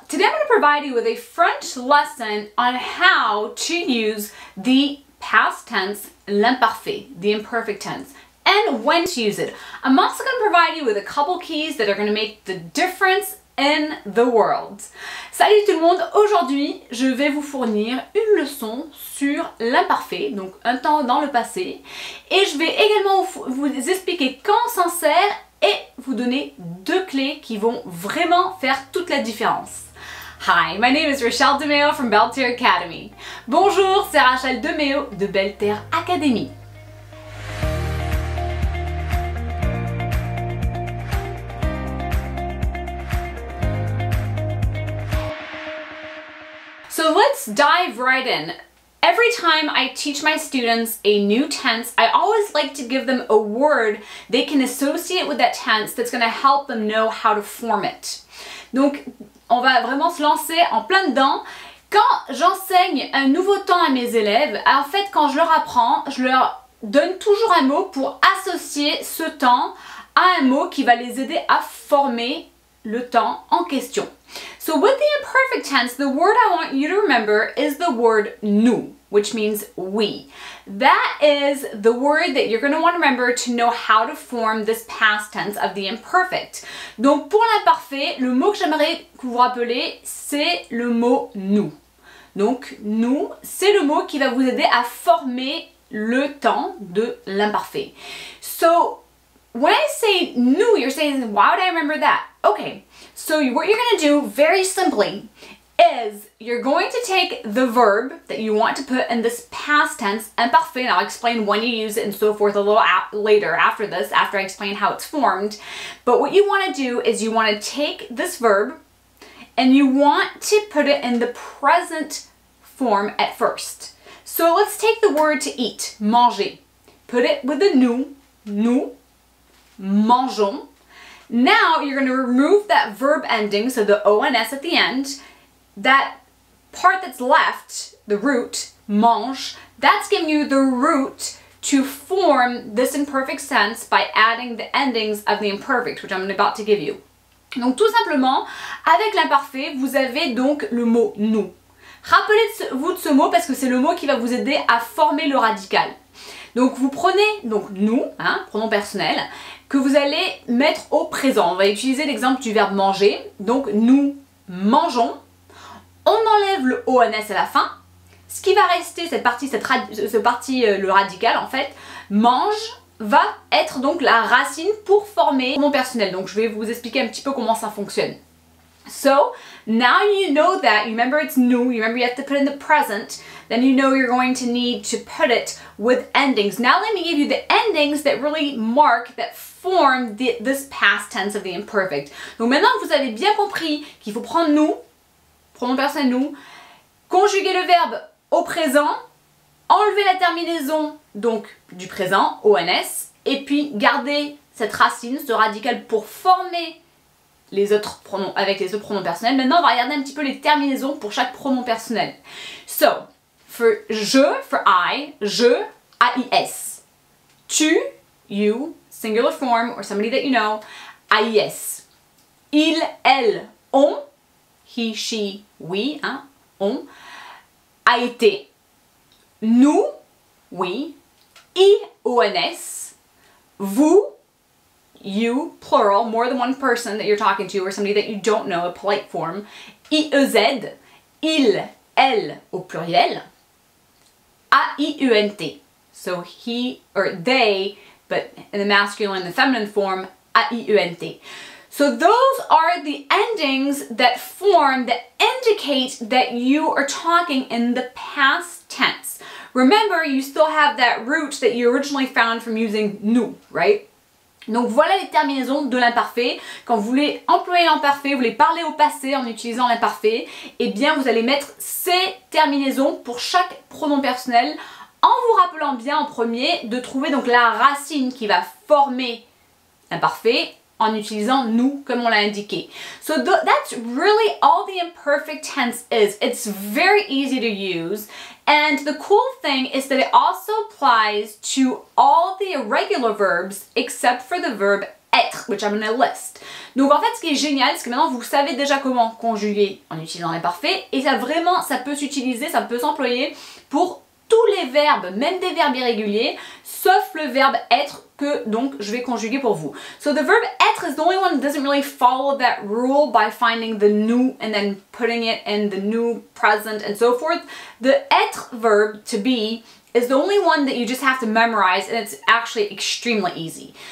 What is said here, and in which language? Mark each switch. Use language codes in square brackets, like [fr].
[en] Today I'm going to provide you with a French lesson on how to use the past tense, l'imparfait, the imperfect tense, and when to use it. I'm also going to provide you with a couple keys that are going to make the difference in the world. [fr] Salut tout le monde! Aujourd'hui, je vais vous fournir une leçon sur l'imparfait, donc un temps dans le passé, et je vais également vous expliquer quand s'en sert et vous donner deux clés qui vont vraiment faire toute la différence. [en] Hi, my name is Rachel DeMeo from Belterre Academy. [fr] Bonjour, c'est Rachel DeMeo de Belterre Academy. [en] So let's dive right in. Every time I teach my students a new tense, I always like to give them a word they can associate with that tense that's going to help them know how to form it. [fr] Donc, on va vraiment se lancer en plein dedans. Quand j'enseigne un nouveau temps à mes élèves, en fait, quand je leur apprends, je leur donne toujours un mot pour associer ce temps à un mot qui va les aider à former le temps en question. [en] So with the imperfect tense, the word I want you to remember is the word nous, which means we. That is the word that you're going to want to remember to know how to form this past tense of the imperfect. [fr] Donc pour l'imparfait, le mot que j'aimerais vous rappeler, c'est le mot nous. Donc nous, c'est le mot qui va vous aider à former le temps de l'imparfait. [en] So when I say nous, you're saying, why would I remember that? Okay. So what you're going to do, very simply, is you're going to take the verb that you want to put in this past tense, imparfait, and I'll explain when you use it and so forth a little later after this, after I explain how it's formed. But what you want to do is you want to take this verb and you want to put it in the present form at first. So let's take the word to eat, manger. Put it with the [fr] nous, nous, mangeons. [en] Now you're going to remove that verb ending, so the ons at the end, that part that's left, the root, mange, that's giving you the root to form this imperfect sense by adding the endings of the imperfect, which I'm about to give you. [fr] Donc tout simplement, avec l'imparfait, vous avez donc le mot nous. Rappelez-vous de ce mot parce que c'est le mot qui va vous aider à former le radical. Donc vous prenez donc nous, hein, pronom personnel, que vous allez mettre au présent. On va utiliser l'exemple du verbe manger. Donc nous mangeons. On enlève le ons à la fin. Ce qui va rester, cette partie, le radical en fait, mange, va être donc la racine pour former mon personnel. Donc je vais vous expliquer un petit peu comment ça fonctionne. [en] So now you know that, you remember it's nous, you remember you have to put it in the present, then you know you're going to need to put it with endings. Now let me give you the endings that really mark, that form the, this past tense of the imperfect. [fr] Donc maintenant vous avez bien compris qu'il faut prendre nous, pronom personnel nous, conjuguer le verbe au présent, enlever la terminaison donc du présent, ons, et puis garder cette racine, ce radical pour former les autres pronoms, avec les autres pronoms personnels. Maintenant, on va regarder un petit peu les terminaisons pour chaque pronom personnel. [en] So, for je, for I, je, A-I-S. Tu, you, singular form, or somebody that you know, A-I-S. Il, elle, on, he, she, we, hein, on, a été. Nous, oui, I-O-N-S, vous, you, plural, more than one person that you're talking to or somebody that you don't know, a polite form. [fr] I-E-Z, il, elle, au pluriel. [en] A-I-U-N-T, so he or they, but in the masculine, the feminine form, A-I-U-N-T. So those are the endings that form, that indicate that you are talking in the past tense. Remember, you still have that root that you originally found from using nous, right? [fr] Donc voilà les terminaisons de l'imparfait. Quand vous voulez employer l'imparfait, vous voulez parler au passé en utilisant l'imparfait, eh bien vous allez mettre ces terminaisons pour chaque pronom personnel en vous rappelant bien en premier de trouver donc la racine qui va former l'imparfait en utilisant nous comme on l'a indiqué. [en] So that's really all the imperfect tense is. It's very easy to use. And the cool thing is that it also applies to all the irregular verbs except for the verb être, which I'm gonna list. [fr] Donc en fait, ce qui est génial, c'est que maintenant vous savez déjà comment conjuguer en utilisant l'imparfait, et ça vraiment, ça peut s'utiliser, ça peut s'employer pour tous les verbes, même des verbes irréguliers, sauf le verbe être que donc je vais conjuguer pour vous. [en] So the verb être is the only one that doesn't really follow that rule by finding the nous and then putting it in the nous present and so forth. The être verb to be is the only one that you just have to memorize and it's actually extremely easy.